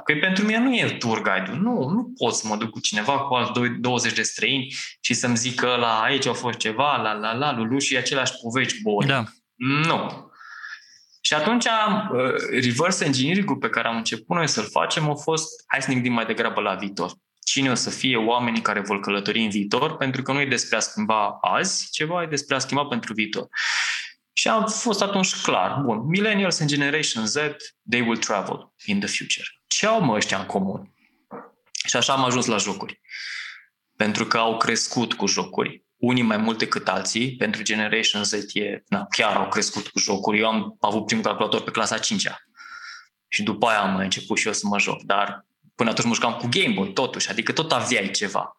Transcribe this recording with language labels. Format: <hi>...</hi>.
<ro>Că pentru mine nu e tour guide-ul. Nu pot să mă duc cu cineva cu alți 20 de străini și să-mi zic că la aici a fost ceva, la la la, lulu și aceleași povești boring. Da. Nu. Și atunci reverse engineering-ul pe care am început noi să-l facem a fost, hai să ne gândim mai degrabă la viitor. Cine o să fie oamenii care vor călători în viitor? Pentru că nu e despre a schimba azi ceva, e despre a schimba pentru viitor. Și a fost atunci clar, bun,</ro> <en>millennials and generation Z, they will travel in the future.</en> <ro>Ce au mă ăștia în comun? Și așa am ajuns la jocuri. Pentru că au crescut cu jocuri. Unii mai mult decât alții, pentru Generation Z chiar au crescut cu jocuri. Eu am avut primul calculator pe clasa 5-a și după aia am început și eu să mă joc, dar până atunci mă jucam cu Game Boy totuși, adică tot aveai ceva.</ro>